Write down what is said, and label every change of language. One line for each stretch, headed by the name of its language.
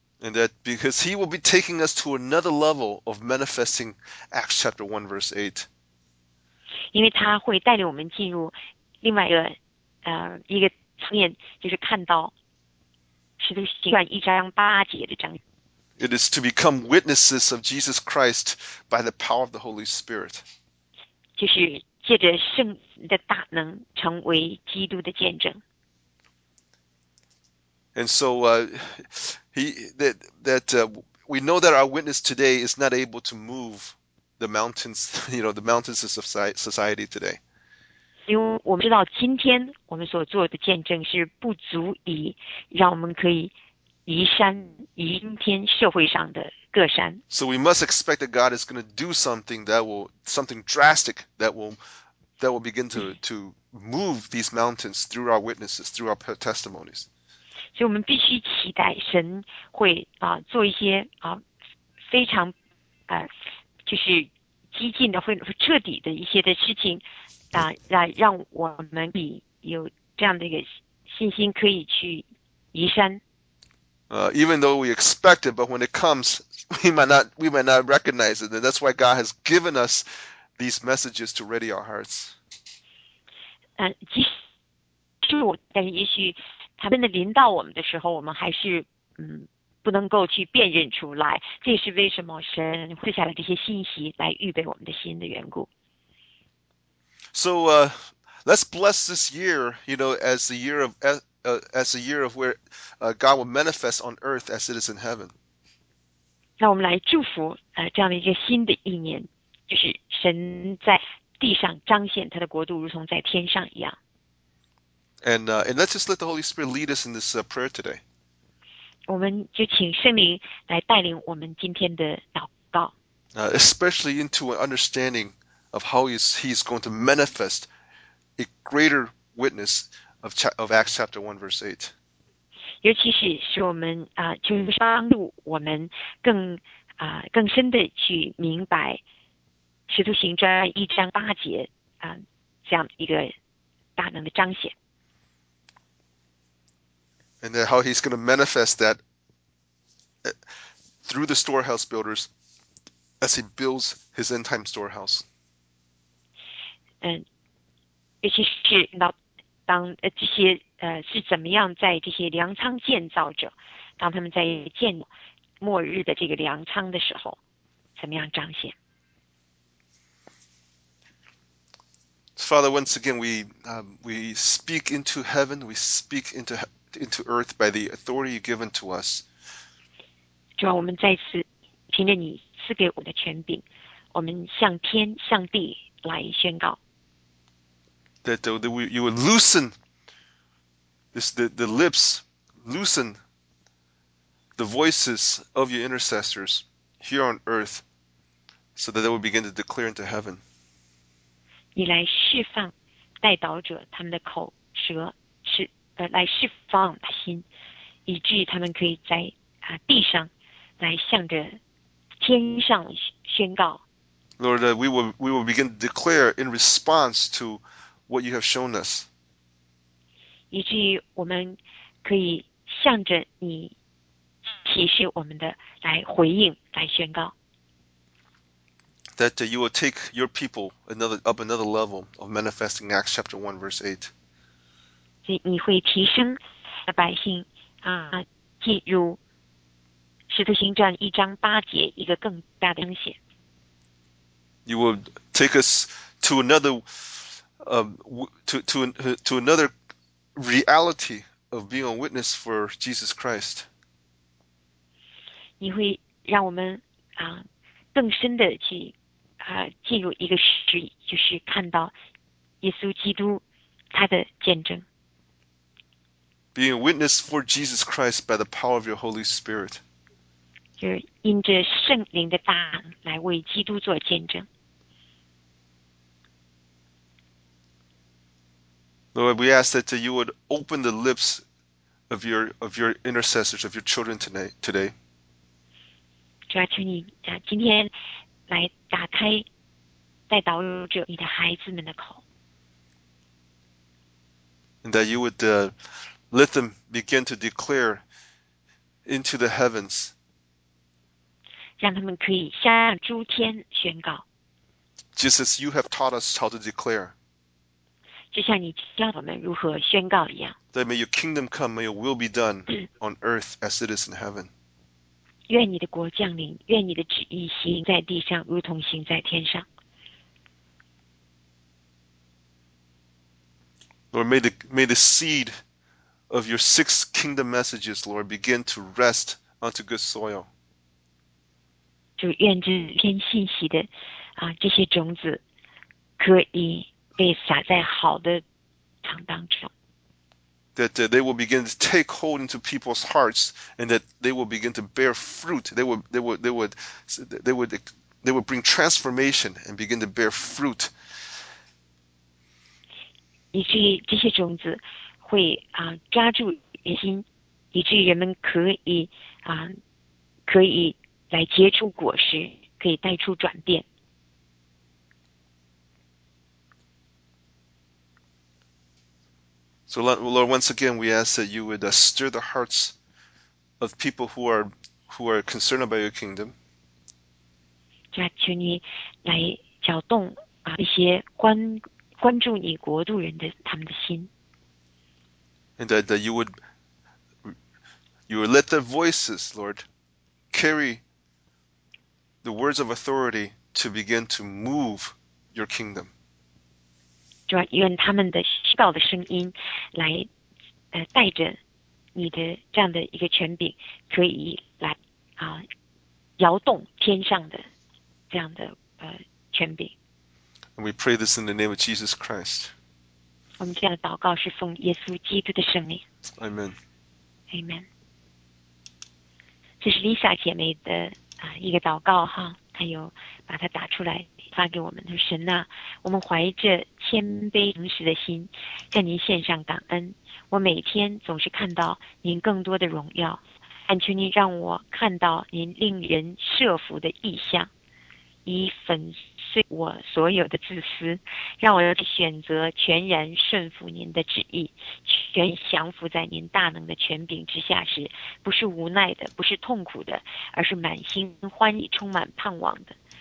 English: And that because He will be taking us to another level of manifesting Acts chapter 1 verse 8.
Chinese: 因为他会带领我们进入另外一个。一个层面就是看到《使徒行传》一章八节的章。
English: It is to become witnesses of Jesus Christ by the power of the Holy Spirit.
Chinese: 就是借着圣的大能成为基督的见证。
English: And so, we know that our witness today is not able to move the mountains. You know, the mountains of society today.
Chinese: 因为我们知道今天我们所做的见证是不足以让我们可以移山移今天社会上的各山。
English: So we must expect that God is going to do something that will, something drastic that will begin to move these mountains through our witnesses, through our testimonies.
Chinese: 所以我们必须期待神会做一些非常就是激进的会彻底的一些的事情。让我们有这样的一个信心可以去移山。
English: Even though we expect it, but when it comes, we might not recognize it. And that's why God has given us these messages to ready our hearts.
Chinese: 即使，但是也许他们的临到我们的时候，我们还是不能够去辨认出来。这也是为什么神会下来这些信息来预备我们的心的缘故。
English: So, let's bless this year, as the year of as a year of where God will manifest on earth as it is in heaven.
Chinese: 让我们来祝福这样的一个新的一年，就是神在地上彰显他的国度，如同在天上一样。
English: And let's just let the Holy Spirit lead us in this prayer today.
Chinese: 我们就请圣灵来带领我们今天的祷告。
English: Especially into an understanding of how he's going to manifest a greater witness of Acts chapter 1, verse 8.
Chinese: 尤其是使我们就是帮助我们更深的去明白《使徒行传》一章八节这样一个大能的彰显。
English: And then how he's going to manifest that through the storehouse builders as he builds his end time storehouse.
Chinese: 尤其是当这些是怎么样在这些粮仓建造者，当他们在建末日的这个粮仓的时候，怎么样彰显？
English: Father, once again, we speak into heaven, we speak into earth by the authority given to us.
Chinese: 主啊，我们再次凭着你赐给我们的权柄，我们向天向地来宣告。
English: That you would loosen this, the lips, loosen the voices of your intercessors here on earth so that they would begin to declare into heaven.
Chinese: 你来释放代祷者他们的口舌，来释放他心，以至于他们可以在地上来向着天上宣告。
English: Lord, we will begin to declare in response to what you have shown us.
Chinese: 以至于我们可以向着你启示我们的来回应，来宣告。
English: That you will take your people up another level of manifesting Acts chapter 1, verse 8.
Chinese: 你会提升百姓进入使徒行传一章八节一个更大的彰显。
English: You will take us to another to another reality of being a witness for Jesus Christ.
Chinese: 你会让我们更深的去进入一个就是看到耶稣基督他的见证。
English: Being a witness for Jesus Christ by the power of your Holy Spirit.
Chinese: 就是因着圣灵的大能来为基督做见证。
English: Lord, we ask that you would open the lips of your intercessors, of your children today.
Chinese: 主啊，求你今天来打开代祷者你的孩子们的口。
English: And that you would let them begin to declare into the heavens.
Chinese: 让他们可以向诸天宣告。
English: Just as you have taught us how to declare.
Chinese: 就像你教我们如何宣告一样。
English: That may your kingdom come, may your will be done on earth as it is in heaven.
Chinese: 愿你的国降临，愿你的旨意行在地上，如同行在天上。
English: Lord, may the seed of your six kingdom messages, Lord, begin to rest onto good soil.
Chinese: 主，愿这篇信息的这些种子可以被撒在好的场当中。
English: That they will begin to take hold into people's hearts, and that they will begin to bear fruit. They would bring transformation and begin to bear fruit.
Chinese: 以至于这些种子会抓住人心，以至于人们可以来结出果实，可以带出转变。
English: So Lord, once again, we ask that you would stir the hearts of people who are concerned about your kingdom.
Chinese: 主啊，求你来搅动一些关注你国度人的他们的心。
English: And that you would You let the voices, Lord, carry the words of authority to begin to move your kingdom.
Chinese: 主啊，愿他们的祈祷的声音来带着你的这样的一个权柄，可以来摇动天上的这样的权柄。
English: And we pray this in the name of Jesus Christ.
Chinese: 我们这样的祷告是奉耶稣基督的圣名。
English: Amen. Amen.
Chinese: 这是 Lisa 姐妹的一个祷告哈，她有把它打出来发给我们。她说：“神啊，我们怀着谦卑诚实的心向您献上感恩，我每天总是看到您更多的荣耀，恳求您让我看到您令人慑服的意象，以粉碎我所有的自私，让我选择全然顺服您的旨意，全降服在您大能的权柄之下时，不是无奈的，不是痛苦的，而是满心欢喜，充满盼望的。